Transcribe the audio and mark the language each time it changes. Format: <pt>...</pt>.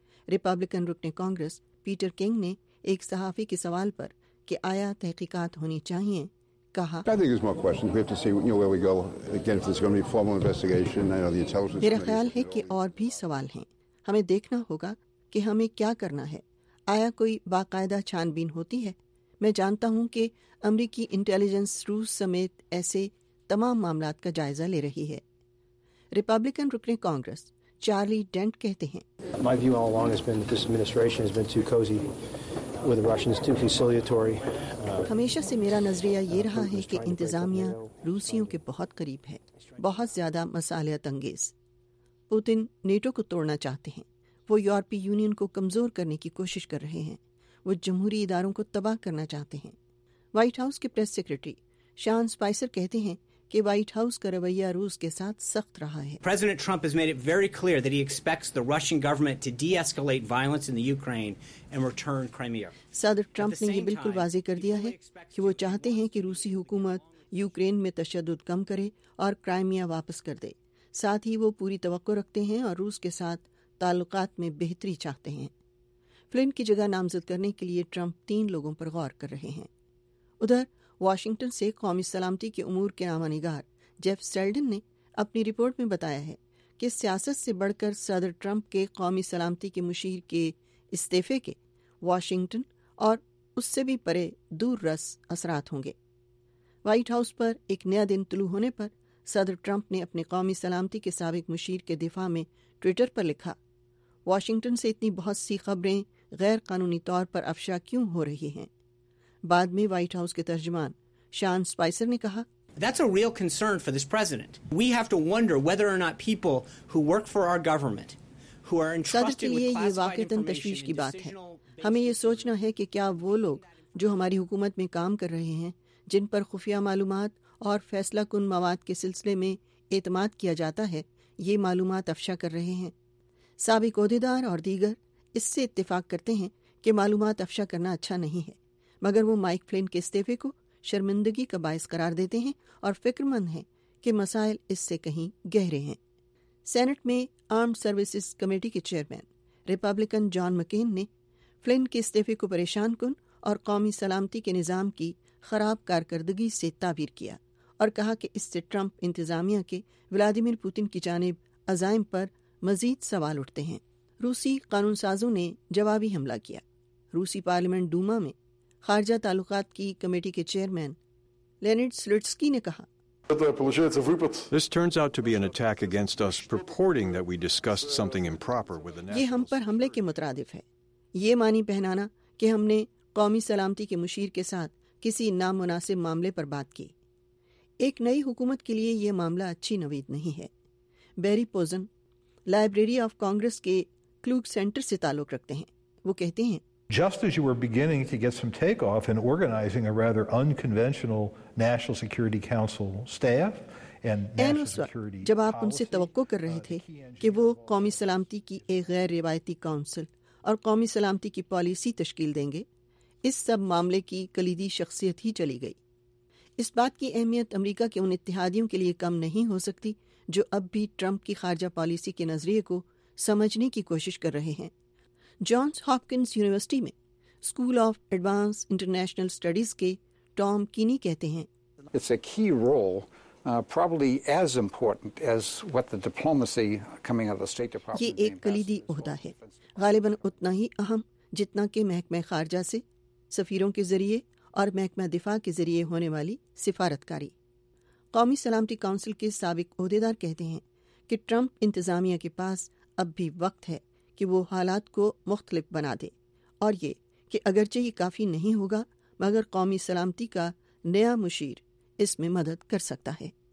<ur>Republican رکن Congress Peter king نے ایک صحافی کے سوال پر کہ آیا تحقیقات ہونی چاہیے کہا، میرا خیال ہے کہ اور بھی سوال ہیں، ہمیں دیکھنا ہوگا کہ ہمیں کیا کرنا ہے۔ آیا کوئی باقاعدہ چھان بین ہوتی ہے؟ میں جانتا ہوں کہ امریکی انٹیلیجنس روس سمیت ایسے تمام معاملات کا جائزہ لے رہی ہے۔ ریپبلکن رکن کانگریس چارلی ڈینٹ کہتے ہیں،</ur> <en>My view all along has been that this administration has been too cozy with the Russians, too conciliatory.</en> <ur>ہمیشہ سے میرا نظریہ یہ رہا ہے کہ انتظامیہ روسیوں کے بہت قریب ہے، بہت زیادہ مصالحت انگیز۔ پوتن نیٹو کو توڑنا چاہتے ہیں، وہ یورپی یونین کو کمزور کرنے کی کوشش کر رہے ہیں، وہ جمہوری اداروں کو تباہ کرنا چاہتے ہیں۔ وائٹ ہاؤس کے پریس سیکرٹری شان سپائسر کہتے ہیں کہ وائٹ ہاؤس کا رویہ روس کے ساتھ سخت رہا ہے۔</ur> <en>President Trump has made it very clear that he expects the Russian government to de-escalate violence in the Ukraine and return Crimea.</en> <ur>صدر ٹرمپ نے یہ بالکل واضح کر دیا ہے کہ وہ چاہتے ہیں کہ روسی حکومت یوکرین میں تشدد کم کرے اور کرائمیا واپس کر دے، ساتھ ہی وہ پوری توقع رکھتے ہیں اور روس کے ساتھ تعلقات میں بہتری چاہتے ہیں۔ فلن کی جگہ نامزد کرنے کے لیے ٹرمپ تین لوگوں پر غور کر رہے ہیں۔ ادھر واشنگٹن سے قومی سلامتی کے امور کے نامہ نگار جیف سیلڈن نے اپنی رپورٹ میں بتایا ہے کہ سیاست سے بڑھ کر صدر ٹرمپ کے قومی سلامتی کے مشیر کے استعفے کے واشنگٹن اور اس سے بھی پرے دور رس اثرات ہوں گے۔ وائٹ ہاؤس پر ایک نیا دن طلوع ہونے پر صدر ٹرمپ نے اپنے قومی سلامتی کے سابق مشیر کے دفاع میں ٹویٹر پر لکھا، واشنگٹن سے اتنی بہت سی خبریں غیر قانونی طور پر افشا کیوں ہو رہی ہیں؟ بعد میں وائٹ ہاؤس کے ترجمان شان سپائسر نے کہا،</ur> <en>That's a real concern for this president. We have to wonder whether or not people who work for our government, who are entrusted with classified information,</en> <ur>ہمیں یہ سوچنا ہے کہ کیا وہ لوگ جو ہماری حکومت میں کام کر رہے ہیں جن پر خفیہ معلومات اور فیصلہ کن مواد کے سلسلے میں اعتماد کیا جاتا ہے یہ معلومات افشا کر رہے ہیں. سابق عہدیدار اور دیگر اس سے اتفاق کرتے ہیں کہ معلومات افشا کرنا اچھا نہیں ہے, مگر وہ مائک فلین کے استعفے کو شرمندگی کا باعث قرار دیتے ہیں اور فکر مند ہیں کہ مسائل اس سے کہیں گہرے ہیں. سینٹ میں آرمڈ سروسز کمیٹی کے چیئرمین ریپبلکن جان مکین نے فلن کے استعفے کو پریشان کن اور قومی سلامتی کے نظام کی خراب کارکردگی سے تعبیر کیا اور کہا کہ اس سے ٹرمپ انتظامیہ کے ولادیمیر پوتن کی جانب عزائم پر مزید سوال اٹھتے ہیں. روسی قانون سازوں نے جوابی حملہ کیا. روسی پارلیمنٹ ڈوما میں خارجہ تعلقات کی کمیٹی کے چیئرمین لینرڈ سلٹسکی نے کہا,</ur> <en>This turns out to be an attack against us purporting that we discussed something improper with the</en> <ur>national. یہ ہم پر حملے کے مترادف ہے. یہ معنی پہنانا کہ ہم نے قومی سلامتی کے مشیر کے ساتھ کسی نامناسب معاملے پر بات کی. ایک نئی حکومت کے لیے یہ معاملہ اچھی نوید نہیں ہے. بیری پوزن لائبریری آف کانگریس کے کلوگ سینٹر سے تعلق رکھتے ہیں. وہ کہتے ہیں,</ur> <en>Just as you were beginning to get some take off in organizing a rather unconventional National Security Council staff and National Security,</en> <ur>جب آپ ان سے توقع کر رہے تھے کہ وہ قومی سلامتی کی ایک غیر روایتی کونسل اور قومی سلامتی کی پالیسی تشکیل دیں گے, اس سب معاملے کی کلیدی شخصیت ہی چلی گئی. اس بات کی اہمیت امریکہ کے ان اتحادیوں کے لیے کم نہیں ہو سکتی جو اب بھی ٹرمپ کی خارجہ پالیسی کے نظریے کو سمجھنے کی کوشش کر رہے ہیں. جانس ہاپکنز یونیورسٹی میں school of advance international studies کے ٹام کینی کہتے ہیں,</ur> <en>It's a key role. Probably as important as what the diplomacy coming out of the State Department.</en> <ur>یہ ایک کلیدی عہدہ ہے, غالباً اتنا ہی اہم جتنا کہ محکمہ خارجہ سے سفیروں کے ذریعے اور محکمہ دفاع کے ذریعے ہونے والی سفارتکاری. قومی سلامتی کونسل کے سابق عہدیدار کہتے ہیں کہ ٹرمپ انتظامیہ کے پاس اب بھی وقت ہے کہ وہ حالات کو مختلف بنا دے, اور یہ کہ اگرچہ یہ کافی نہیں ہوگا مگر قومی سلامتی کا نیا مشیر اس میں مدد کر سکتا ہے.</ur>